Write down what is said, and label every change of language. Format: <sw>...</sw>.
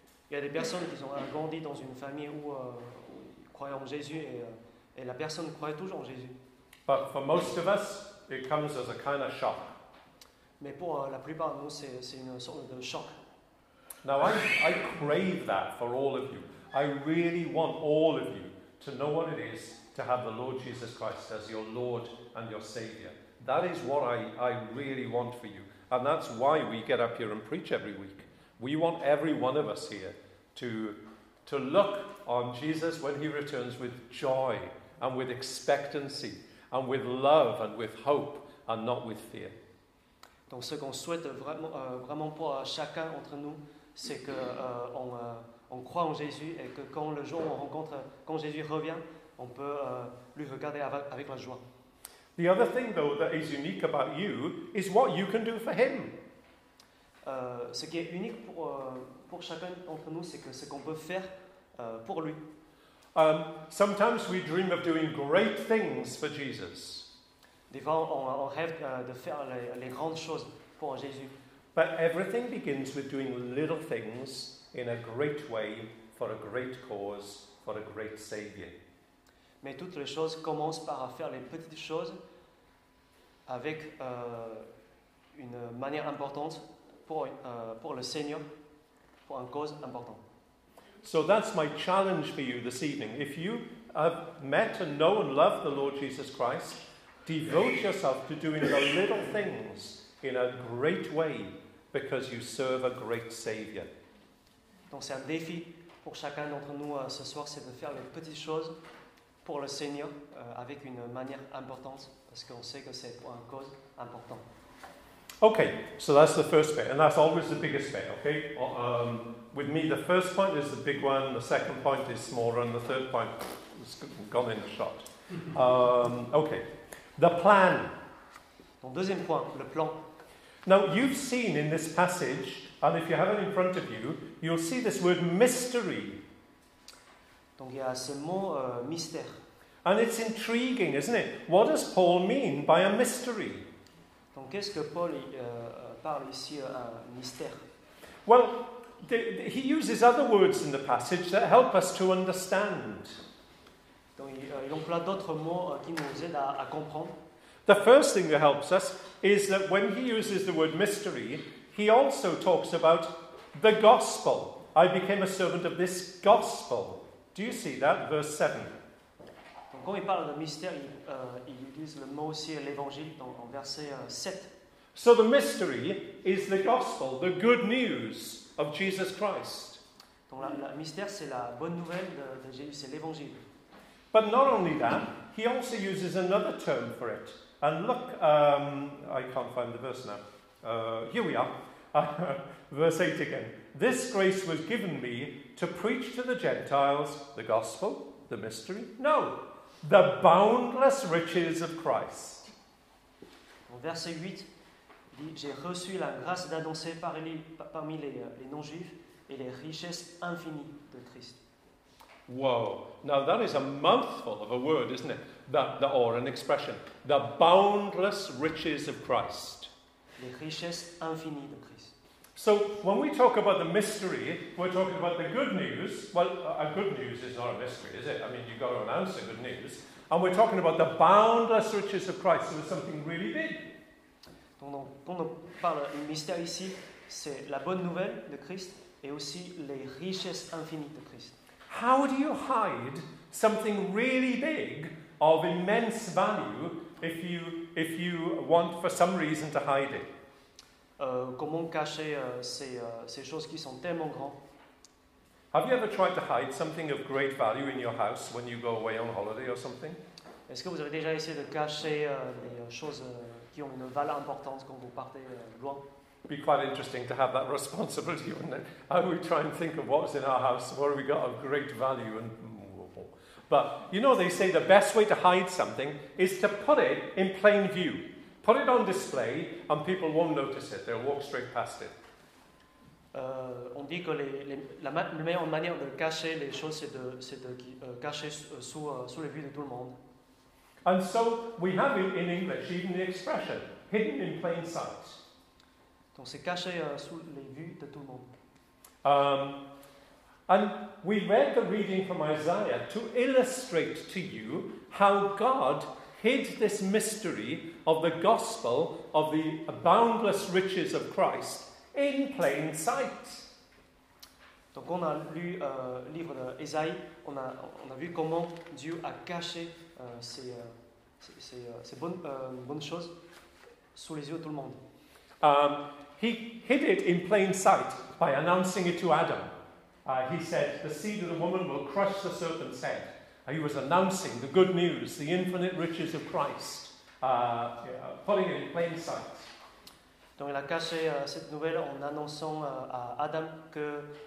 <fr>Il y a des personnes qui ont grandi dans une famille où ils croyaient en Jésus et la personne croyait toujours en Jésus.</fr> <en>But for most of us, it comes as a kind of shock.</en> <fr>Mais pour la plupart de nous, c'est une sorte de choc.</fr> <en>Now I crave that for all of you. I really want all of you to know what it is to have the Lord Jesus Christ as your Lord and your Savior. That is what I really want for you. And that's why we get up here and preach every week. We want every one of us here to look on Jesus when he returns with joy and with expectancy and with love and with hope and not with fear.</en> <fr>Donc ce qu'on souhaite vraiment, vraiment pour chacun entre nous, c'est qu'on on croit en Jésus et que quand le jour où on rencontre, quand Jésus revient, on peut lui regarder avec la joie.</fr> <en>The other thing though that is unique about you is what you can do for him.</en> <fr>Ce qui est unique pour chacun d'entre nous, c'est que ce qu'on peut faire pour lui.</fr> <en>Sometimes we dream of doing great things for Jesus.</en> <fr>Des fois, on rêve de faire les grandes choses pour Jésus.</fr> <en>But everything begins with doing little things in a great way for a great cause, for a great Savior.</en> <fr>Mais toutes les choses commencent par faire les petites choses avec une manière importante pour le Seigneur, pour une cause importante.</fr> <en>So that's my challenge for you this evening. If you have met and know and love the Lord Jesus Christ, devote yourself to doing the little things in a great way because you serve a great Savior.</en> <fr>Donc c'est un défi pour chacun d'entre nous ce soir, c'est de faire les petites choses pour le Seigneur avec une manière importante parce qu'on sait que c'est pour une cause importante.</fr> <en>Okay, so that's the first bit, and that's always the biggest bit, okay? With me, the first point is the big one, the second point is smaller, and the third point has gone in a shot. Okay. The plan.</en> <fr>Donc, deuxième point, le plan.</fr> <en>Now, you've seen in this passage, and if you have it in front of you, you'll see this word mystery.</en> <fr>Donc, il y a ce mot mystère.</fr> <en>And it's intriguing, isn't it? What does Paul mean by a mystery?</en> <fr>Donc, qu'est-ce que Paul parle ici, un mystère?</fr> <en>Well, he uses other words in the passage that help us to understand.</en> <fr>Donc, il emploie d'autres mots qui nous aident à comprendre.</fr> <en>The first thing that helps us is that when he uses the word mystery, he also talks about the gospel. I became a servant of this gospel. Do you see that? Verse 7.</en> <fr>Donc, quand il parle de mystère, il utilise le mot aussi, l'évangile, donc, en verset 7.</fr> <en>So the mystery is the gospel, the good news of Jesus Christ.</en> <fr>Donc, le mystère, c'est la bonne nouvelle de Jésus, c'est l'évangile.</fr> <en>But not only that, he also uses another term for it. And look, I can't find the verse now. Here we are. Verse 8 again. This grace was given me to preach to the Gentiles the gospel, the mystery. No, the boundless riches of Christ.</en> <fr>Verset 8 dit, j'ai reçu la grâce d'annoncer parmi les non-juifs et les richesses infinies de Christ.</fr> <en>Whoa. Now that is a mouthful of a word, isn't it? Or an expression. The boundless riches of Christ.</en> <fr>Les richesses infinies de Christ.</fr> <en>So when we talk about the mystery, we're talking about the good news. Well, a good news is not a mystery, is it? I mean, you've got to announce the good news. And we're talking about the boundless riches of Christ. So it's something really big.</en> <fr>Donc, quand on parle du mystère ici, c'est la bonne nouvelle de Christ et aussi les richesses infinies de Christ.</fr> <en>How do you hide something really big of immense value if you want for some reason to hide it?</en> <fr>Comment cacher ces choses qui sont tellement grandes?</fr> <en>Have you ever tried to hide something of great value in your house when you go away on holiday or something?</en> <fr>Est-ce que vous avez déjà essayé de cacher des choses qui ont une valeur importante quand vous partez loin?</fr> <en>Be quite interesting to have that responsibility, wouldn't it? I would try and think of what's in our house, what have we got of great value, and But you know, they say the best way to hide something is to put it in plain view. Put it on display and people won't notice it. They'll walk straight past it.</en> <fr>On dit que la meilleure manière de cacher les choses, c'est de cacher sous les vues de tout le monde.</fr> <en>And so we have it in English, even the expression, hidden in plain sight.</en> <fr>Donc c'est caché sous les vues de tout le monde.</fr> <en>And we read the reading from Isaiah to illustrate to you how God hid this mystery of the gospel of the boundless riches of Christ in plain sight.</en> <fr>Donc on a lu le livre d'Ésaïe, on a vu comment Dieu a caché ces bonnes choses sous les yeux de tout le monde.</fr> <en>He hid it in plain sight by announcing it to Adam. He said, the seed of the woman will crush the serpent's head. He was announcing the good news, the infinite riches of Christ, putting it in plain sight.</en> <fr>Donc il a caché cette nouvelle en annonçant à Adam que</fr>